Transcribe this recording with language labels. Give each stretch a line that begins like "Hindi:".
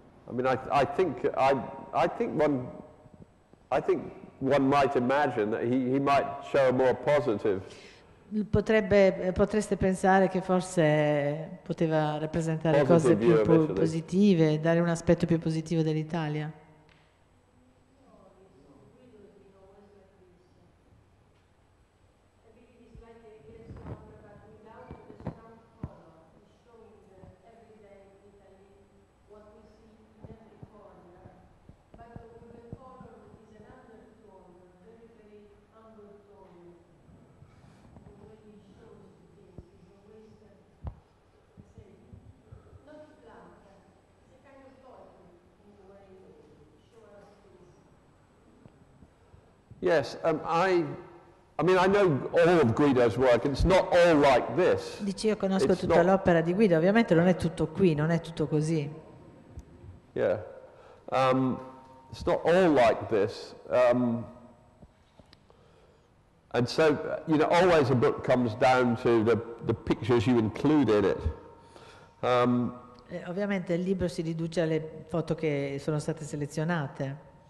English: I mean, I think one might imagine that he might show a more positive.
Italian: Potreste pensare che forse poteva rappresentare cose più positive, dare un aspetto più positivo dell'Italia.
English: Yes, I mean I know all of Guido's work. It's not all like this.
Italian: Dici, io conosco it's tutta l'opera di Guido. Ovviamente non è tutto qui, non è tutto così.
English: Yeah, it's not all like this. And so you know, always a book comes down to the pictures you include in it.
Italian: Ovviamente il libro si riduce alle foto che sono state selezionate.